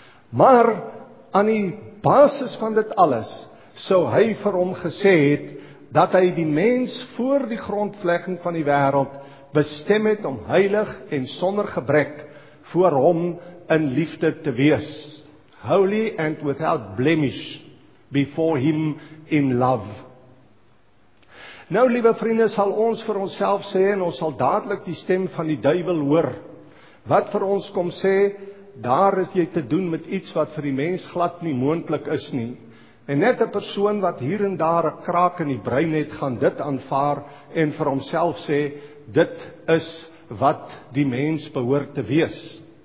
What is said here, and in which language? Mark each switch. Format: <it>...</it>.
<af>Maar aan die basis van dit alles, sou hy vir hom gesê het, dat hy die mens voor die grondlegging van die wêreld bestem het om heilig en sonder gebrek voor hom in liefde te wees.</af> <en>Holy and without blemish before him in love.</en> <af>Nou, liewe vriende, sal ons vir onsself sê, en ons sal dadelijk die stem van die duivel hoor, wat vir ons kom sê, daar is jy te doen met iets wat vir die mens glad nie moontlik is nie. En net 'n persoon wat hier en daar 'n kraak in die brein het, gaan dit aanvaar en vir homself sê, dit is wat die mens behoort te wees.</af>